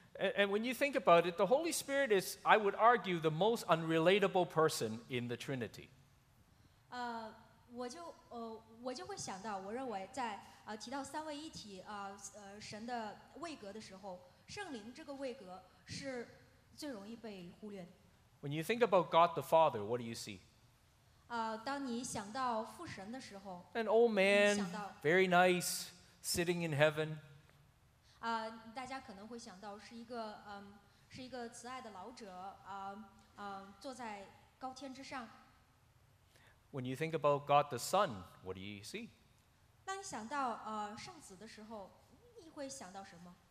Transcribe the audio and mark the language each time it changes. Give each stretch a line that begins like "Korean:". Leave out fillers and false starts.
English: And when you think about it, the Holy Spirit is, I would argue, the most unrelatable person in the Trinity.
Chinese: 我就会想到，我认为在提到三位一体神的位格的时候，圣灵这个位格是最容易被忽略的。
English: When you think about God the Father, what do you see?
Chinese: 当你想到父神的时候
English: ，An old man, very nice, sitting in heaven.
Chinese: 大家可能会想到是一个是一个慈爱的老者坐在高天之上。
English: When you think about God the Son, what do you see?
Chinese: 当你想到圣子的时候，你会想到什么